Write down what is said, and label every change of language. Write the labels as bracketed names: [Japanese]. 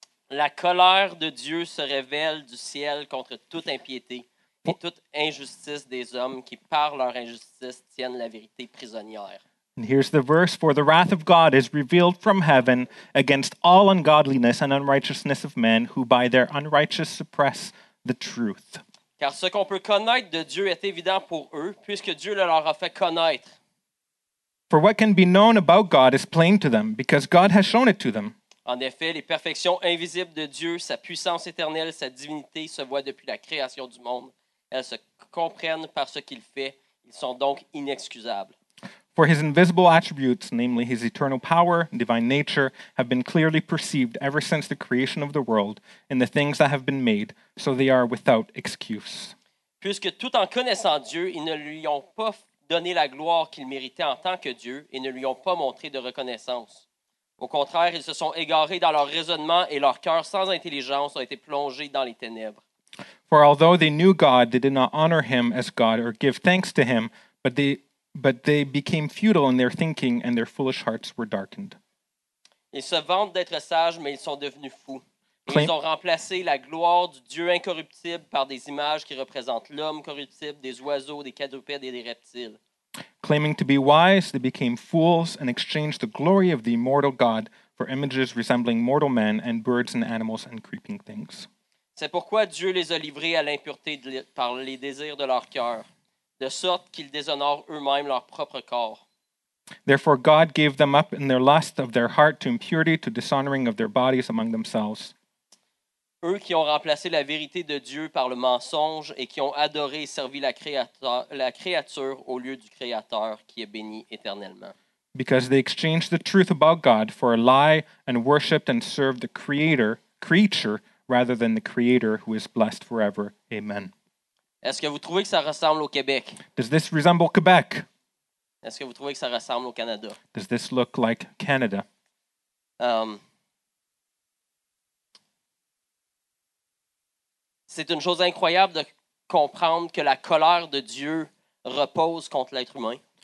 [French] La colère de Dieu se révèle du ciel contre toute impiété et toute injustice des hommes qui, par leur injustice, tiennent la vérité prisonnière. [English] And here's the verse, for the wrath of God is revealed from heaven against all ungodliness and unrighteousness of men who by their unrighteousness suppress the truth. [French] Car ce qu'on peut connaître de Dieu est évident pour eux, puisque Dieu le leur a fait connaître. [English] For what can be known about God is plain to them, because God has shown it to them. [French] En effet, les perfections invisibles de Dieu, sa puissance éternelle, sa divinité se voient depuis la création du monde. Elles se comprennent par ce qu'il fait. Ils sont donc inexcusables. [English] For his invisible attributes, namely his eternal power and divine nature, have been clearly perceived ever since the creation of the world in the things that have been made, so they are without excuse. [French] Puisque tout en connaissant Dieu, ils ne lui ont pas donné la gloire qu'il méritait en tant que Dieu et ne lui ont pas montré de reconnaissance. Au contraire, ils se sont égarés dans leur raisonnement et leur cœur sans intelligence a été plongé dans les ténèbres. [English] For although they knew God, they did not honor him as God or give thanks to him, but they became futile in their thinking and their foolish hearts were darkened. [French] Ils se vantent d'être sages, mais ils sont devenus fous. Ils ont remplacé la gloire du Dieu incorruptible par des images qui représentent l'homme corruptible, des oiseaux, des quadrupèdes et des reptiles. [English] Claiming to be wise, they became fools and exchanged the glory of the immortal God for images resembling mortal men and birds and animals and creeping things. [French] C'est pourquoi Dieu les a livrés à l'impureté par les désirs de leur cœur, de sorte qu'ils déshonorent eux-mêmes leur propre corps. [English] Therefore God gave them up in their lust of their heart to impurity, to dishonoring of their bodies among themselves. [French] Eux qui ont remplacé la vérité de Dieu par le mensonge et qui ont adoré et servi la créature au lieu du Créateur qui est béni éternellement. [English] Because they exchanged the truth about God for a lie and worshipped and served the creature rather than the Creator who is blessed forever. Amen. [French] Est-ce que vous trouvez que ça ressemble au Québec? [English] Does this resemble Quebec? [French] Est-ce que vous trouvez que ça ressemble au Canada? [English] Does this look like Canada? [French] C'est une chose incroyable de comprendre que la colère de Dieu repose contre l'être humain.